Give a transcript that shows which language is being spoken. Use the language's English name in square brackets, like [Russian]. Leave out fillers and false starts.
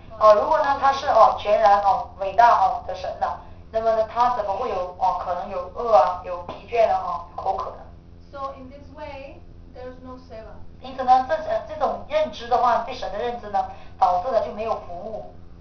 [Chinese] 哦，如果呢，他是哦全然哦伟大哦的神呢，那么呢，他怎么会有哦可能有饿啊，有疲倦的哦口渴呢 [English] ？So in this way, there's no seva. [Chinese] 因此呢，这种认知的话，对神的认知呢，导致了就没有服务。